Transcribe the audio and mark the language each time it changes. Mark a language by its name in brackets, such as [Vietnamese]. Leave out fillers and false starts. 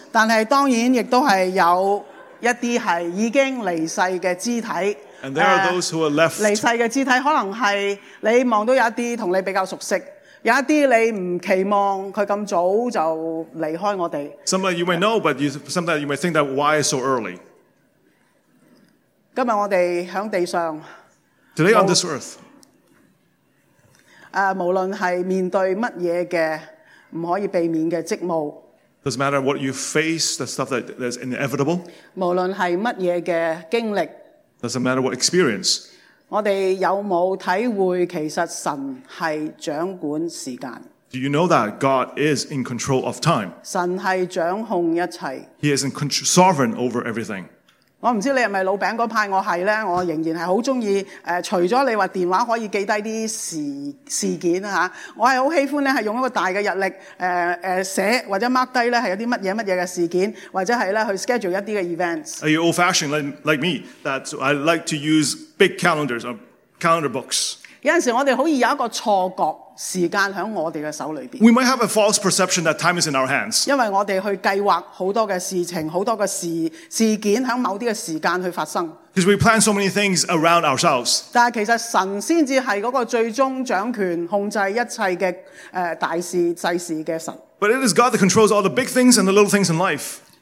[Chinese] 但是當然也是有一些是已經離世的肢體。 [English] And there are those who are left. [Chinese] 離世的肢體可能是你看到有一些跟你比較熟悉，有一些你不期望他這麼早就離開我們。 [English] Sometimes you may know, but sometimes you may think that why so early? [Chinese] 今天我們在地上， [English] Today on this earth, [Chinese] 無論是面對什麼的不可以避免的職務， [English] doesn't matter what you face, the stuff that is inevitable, [Chinese] 無論是什麼的經歷， [English] doesn't matter what experience, [Chinese] 我們有沒有體會其實神是掌管時間？ [English] Do you know that God is in control of time? [Chinese] 神是掌控一切， [English] He is in sovereign over everything. [Chinese] 我不知道你是不是老餅那派，我是呢，我仍然是很喜歡除了你說電話可以記下一些 事件，我是很喜歡呢，是用一個大的日曆寫或者 mark 下是有些什麼什麼的事件，或者是呢去 schedule 一些 events。 [English] Are you old fashioned like me? That I like to use big calendars or calendar books. [Chinese] 有時候我們很容易有一個錯覺，時間在我們的手裡面。 [English] We might have a false perception that time is in our hands. [Chinese] 因為我們去計劃很多的事情，很多的 事件在某些時間去發生。 [English] Because we plan so many things around ourselves. [Chinese] 但其實神才是那個最終掌權控制一切的大事祭事的神。 [English] But it is God that controls all the big things and the little things in life.